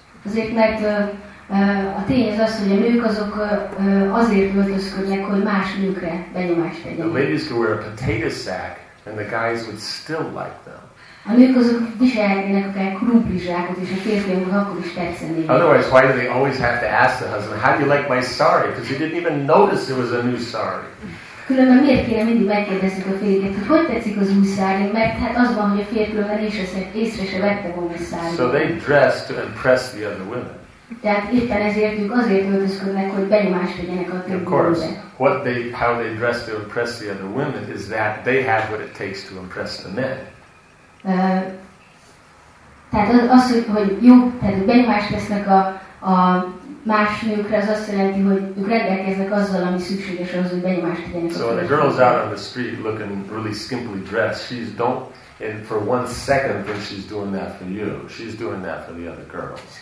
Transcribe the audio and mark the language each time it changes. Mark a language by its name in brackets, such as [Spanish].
[Hungarian] Azért, mert a tény az az, hogy a nők azok azért öltözködnek, hogy más nőkre benyomást tegyenek. [English] The ladies can wear a potato sack, and the guys would still like them. [Hungarian] A nők azok viselhetnének akár krumpli zsákot, és a férfiakok akkor is tetszenének. [English] Otherwise, why do they always have to ask the husband, how do you like my sari? Because he didn't even notice there was a new sari. [Hungarian] Különben miért kéne mindig megkérdezzük a férjét, hogy hogy tetszik az új sari? Mert hát az van, hogy a férfiakban észre se vette volna a sari. [English] So they dress to impress the other women. [Hungarian] Tehát éppen ezért ők azért öltözködnek, hogy benyomást tegyenek a többi nőkre. [English] What they, how they dress to impress the other women is that they have what it takes to impress the men. [Hungarian] Tehát az, hogy jó, tehát benyomást tesznek a más nőkre, az azt jelenti, hogy ők rendelkeznek azzal, ami szükséges ahhoz, hogy benyomást tegyenek. [English] So when a girl's out on the street looking really skimpily dressed, she's don't, and for one second think she's doing that for you. She's doing that for the other girls.